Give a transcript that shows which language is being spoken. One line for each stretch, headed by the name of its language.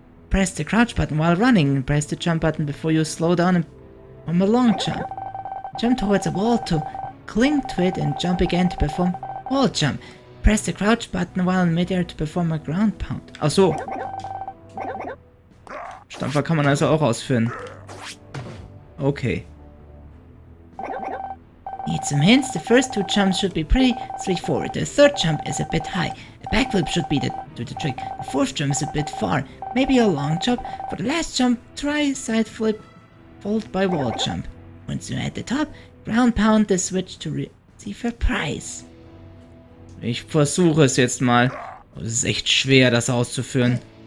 English: Press the crouch button while running and press the jump button before you slow down and perform a long jump. Jump towards a wall to cling to it and jump again to perform wall jump. Press the crouch button while in midair to perform a ground pound.
German: Ach so. Stampfer kann man also auch ausführen. Okay.
English: Need some hints. The first two jumps should be pretty straightforward. The third jump is a bit high. A backflip should be the trick. The fourth jump is a bit far. Maybe a long jump. For the last jump, try side flip followed by wall jump. Once you're at the top, ground pound the switch to receive a prize.
German: Ich versuche es jetzt mal. Oh, es ist echt schwer, das auszuführen.